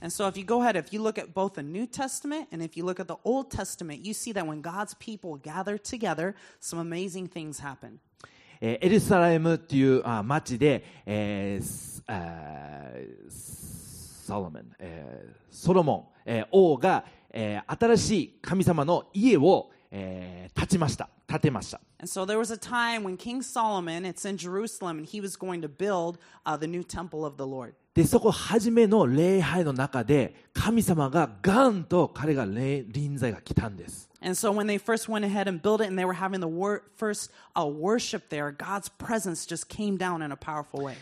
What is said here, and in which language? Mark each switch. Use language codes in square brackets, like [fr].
[en] And so if you go ahead, if you look at both the New Testament and if you look at the Old Testament, you see that when God's people gather together, some amazing things happen. [ja] エルサレムっていう町で、ソロモン、ソロモン、王が新しい神様の家を、建ちました。建てました。 [en] And so there was a time when King Solomon, it's in Jerusalem, and he was going to build, the new temple of the Lord. [ja] で、そこ初めの礼拝の中で神様がガンと彼が臨在が来たんです。 [en] And so when they first went ahead and built it and they were having the first, worship there, God's presence just came down in a powerful way.